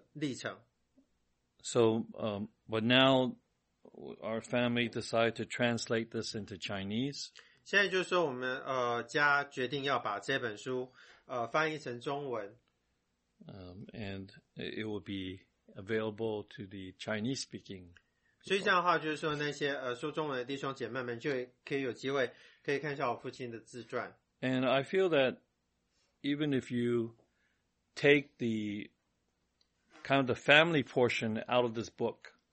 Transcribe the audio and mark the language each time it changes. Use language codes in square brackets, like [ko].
[zh] 然后就是说，也因着神给我这样英语的能力，让我不只可以就是说用英语来分享这个旅程，跟我的家人，同时也可以跟我家人以外的朋友们用英语来分享神带领我这个整个历程。So, [en] but now our family decided to translate this into Chinese. [zh] 现在就是说，我们家决定要把这本书翻译成中文。 [en] And it will be available to the Chinese speaking. [zh] 所以这样的话，就是说那些说中文的弟兄姐妹们就可以有机会可以看一下我父亲的自传。 [en] And I feel that even if you take the kind of the family portion out of this book.